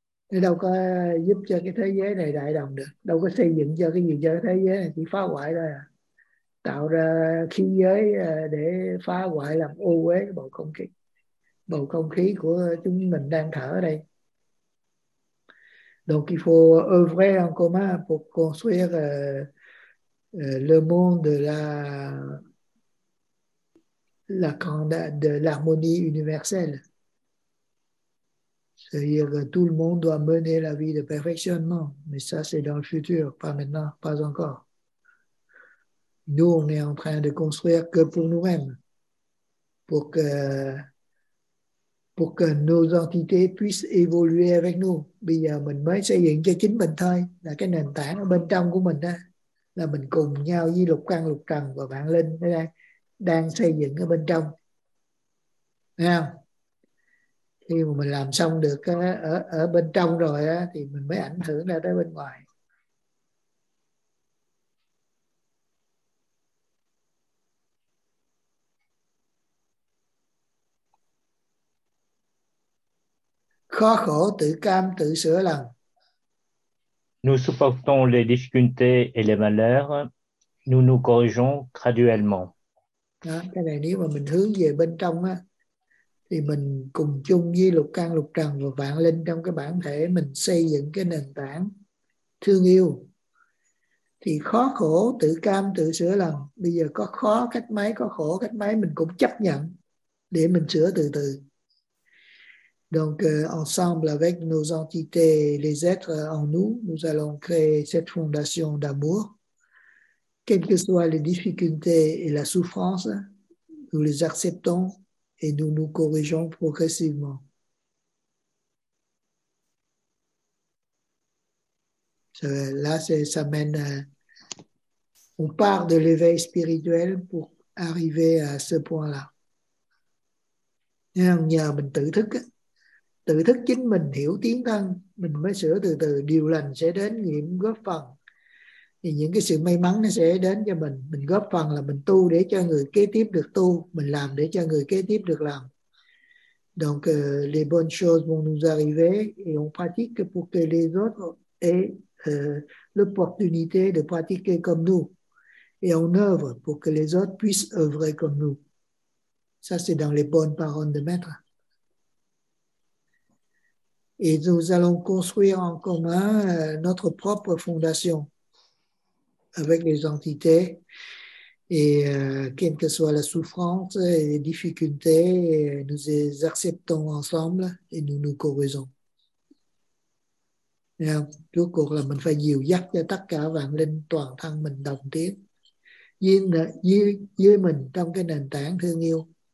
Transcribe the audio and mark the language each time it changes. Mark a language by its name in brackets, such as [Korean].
[Vietnamese] Nó đâu có giúp cho cái thế giới này đại đồng được, đâu có xây dựng cho cái gì cho cái thế giới này, chỉ phá hoại thôi à. Tạo ra khí giới để phá hoại, làm ô uế bầu không khí của chúng mình đang thở ở đây. [French] Donc il faut œuvrer en commun pour construire le monde de l'harmonie universelle. C'est-à-dire que tout le monde doit mener la vie de perfectionnement, mais ça c'est dans le futur, pas maintenant, pas encore. Nous, on est en train de construire que pour nous-mêmes, pour que nos entités puissent évoluer avec nous. [Vietnamese] Bây giờ mình mới xây dựng cho chính mình thôi, là cái nền tảng ở bên trong của mình đó, là mình cùng nhau với lục căn lục trần và vạn linh đang xây dựng ở bên trong. Thấy không? Khi mà mình làm xong được ở bên trong rồi đó, thì mình mới ảnh hưởng ra tới bên ngoài. Khó khổ tự cam tự sửa lành. [French] Nous supportons les difficultés et les malheurs, nous nous corrigeons graduellement. [Vietnamese] Đó, cái này nếu mà mình hướng về bên trong á, thì mình cùng chung với lục căn lục trần và vạn linh trong cái bản thể mình xây dựng cái nền tảng thương yêu. Thì khó khổ tự cam tự sửa lành. Bây giờ có khó cách mấy, có khổ cách mấy mình cũng chấp nhận để mình sửa từ từ. [French] Donc, ensemble avec nos entités, les êtres en nous, nous allons créer cette fondation d'amour. Quelles que soient les difficultés et la souffrance, nous les acceptons et nous nous corrigeons progressivement. Là, ça mène. On part de l'éveil spirituel pour arriver à ce point-là. Et on y a un tự thức. [Vietnamese] Tự thức chính mình hiểu tiến thân, mình mới sửa từ từ, điều lành sẽ đến nghiệm góp phần. Thì những cái sự may mắn nó sẽ đến cho mình. Mình góp phần là mình tu để cho người kế tiếp được tu, mình làm để cho người kế tiếp được làm. [French] Donc, les bonnes choses vont nous arriver et on pratique pour que les autres aient l'opportunité de pratiquer comme nous. Et on œuvre pour que les autres puissent œuvrer comme nous. Ça, c'est dans les bonnes paroles de maître. Et nous allons construire en commun notre propre fondation avec les entités. Et quelle que soit la souffrance et les difficultés, nous les acceptons ensemble et nous nous corrigeons. Tout court, là, [Vietnamese] mình phải dìu dắt cho tất cả vạn linh toàn thân mình đồng tiến với mình trong cái nền tảng thương yêu.